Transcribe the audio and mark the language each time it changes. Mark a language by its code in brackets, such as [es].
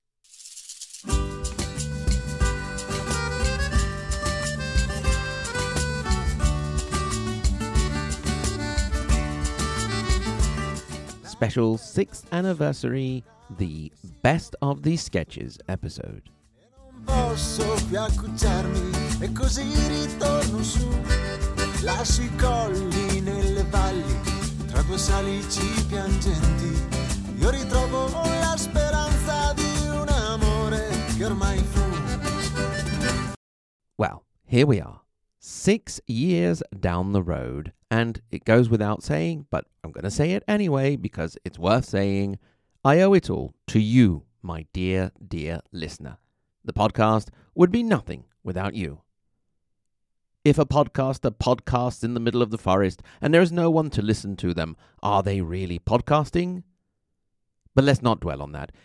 [en] Special 6th anniversary, the Best of the Sketches episode. [it] Posso più accucciarmi e così ritorno su. Lasci I colli nelle valli, tra due salici piangenti. Io ritrovo la speranza di un amore che ormai fu. [en] Well, here we are, 6 years down the road, and it goes without saying, but I'm going to say it anyway because it's worth saying, I owe it all to you, my dear, dear listener. The podcast would be nothing without you. If a podcaster podcasts in the middle of the forest and there is no one to listen to them, are they really podcasting? But let's not dwell on that.